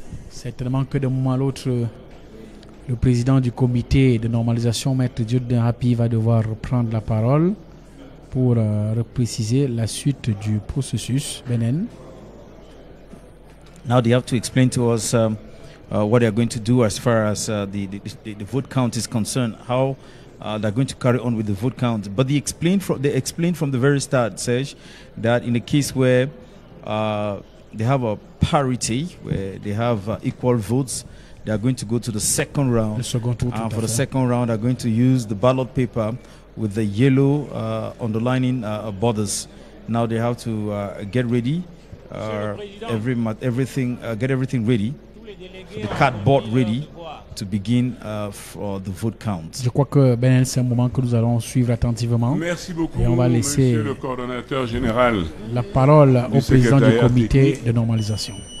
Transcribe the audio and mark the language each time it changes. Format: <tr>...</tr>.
<fr>Certainement que d'un moment à l'autre, le président du comité de normalisation, Maître Dieudonné Happy, va devoir reprendre la parole pour préciser la suite du processus. Benin.</fr> <en>Now they have to explain to us what they are going to do as far as the vote count is concerned, how they're going to carry on with the vote count. But they explained from the very start, Serge, that in a case where they have a parity, where they have equal votes, they are going to go to the second round.</en> <fr>Le second tour,</fr> <en>and for the second round, they're going to use the ballot paper with the yellow underlining borders. Now they have to get ready, get everything ready, the cardboard ready to begin for the vote count.</en> <fr>Je crois que Benel, c'est un moment que nous allons suivre attentivement. Merci beaucoup, et on va laisser Monsieur le coordonnateur général, la parole au président du comité de normalisation.</fr>